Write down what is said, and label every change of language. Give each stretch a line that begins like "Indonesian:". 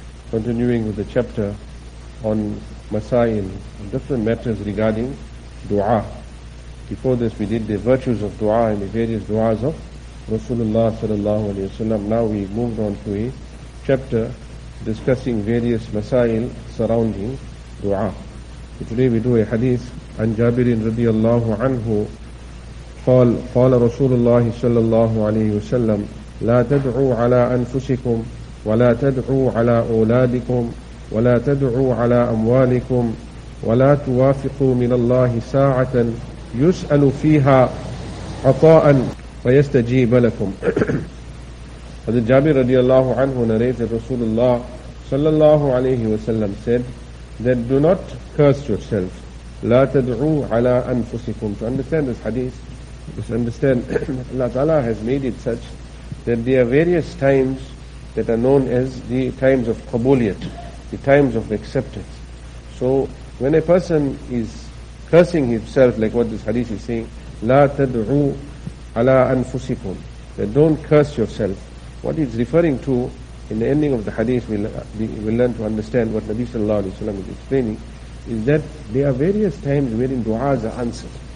English: Continuing with the chapter on masail, different matters regarding dua. Before this we did the virtues of dua and the various duas of Rasulullah sallallahu alayhi wa sallam. Now we moved on to a chapter discussing various masail surrounding dua. So today we do a hadith
Arabic: an Jabirin radiyallahu anhu. قال رسول الله صلى الله عليه وسلم لا تدعوا على أنفسكم ولا تدعوا على أولادكم ولا تدعوا على أموالكم ولا توافقوا من الله ساعة يسأل فيها عطاء فيستجيب لكم. هذا جابر رضي الله عنه نريت رسول الله صلى الله عليه وسلم
English: said that do not curse yourself.
Arabic: لا تدعوا على أنفسكم.
English: To understand this hadith, just understand Allah Ta'ala has made it such that there are various times that are known as the times of qabuliyat, the times of acceptance. So when a person is cursing himself, like what this hadith is saying,
Arabic: la tad'u ala anfusikum,
English: that don't curse yourself, what it's referring to in the ending of the hadith, we'll learn to understand what Nabi Sallallahu Alaihi Wasallam is explaining, is that there are various times wherein du'as are answered.